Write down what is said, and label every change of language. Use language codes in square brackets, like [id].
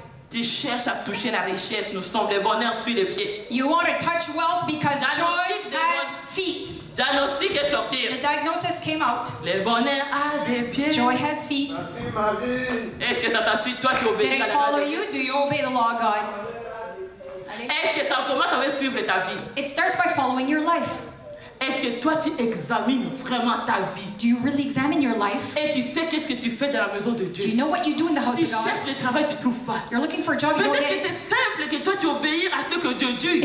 [fr] Tu cherches à toucher la richesse, nous sommes le bonheur sur les pieds. [en] You want to touch wealth because joy has feet. [fr] Diagnostic est sorti. [en] The diagnosis came out. [fr] Le bonheur a des pieds. [en] Joy has feet. [fr] Est-ce que ça t'a suivi, toi qui obéis à la loi? [en] Did it follow you? Do you obey the law, God? [fr] Est-ce que ça commence à suivre ta vie? [en] It starts by following your life. [fr] Est-ce que toi tu examines vraiment ta vie? [en] Do you really examine your life? [fr] Et tu sais qu'est-ce que tu fais dans la maison de Dieu? [en] Do you know what you do in the house of God? [fr] Tu cherches le travail, tu trouves pas. [en] You're looking for a job, you don't get it. [fr] Mais c'est simple que toi tu obéis à ce que Dieu dit.